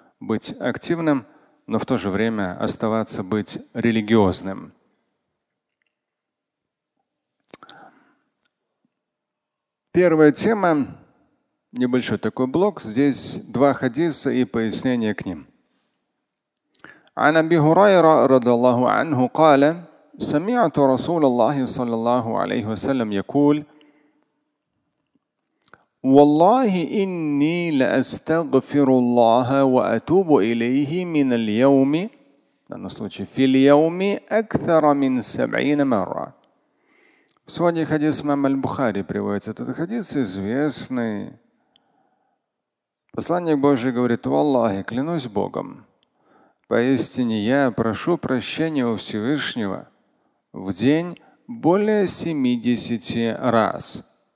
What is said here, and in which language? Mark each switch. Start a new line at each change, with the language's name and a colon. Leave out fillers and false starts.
Russian: Быть активным, но в то же время оставаться быть религиозным. Первая тема, небольшой такой блок, здесь два хадиса и пояснение к ним.
Arabic: عن أبي هريرة رضي الله عنه قال سمعت رسول الله صلى الله عليه وسلم يقول والله إني لأستغفر الله وأتوب إليه من اليوم في اليوم أكثر من 70 مرة.
Russian: Сегодня хадис имама аль-Бухари приводит этот хадис, известный. Посланник Божий говорит: «Валлахи, клянусь Богом, поистине я прошу прощения у Всевышнего в день более 70 раз».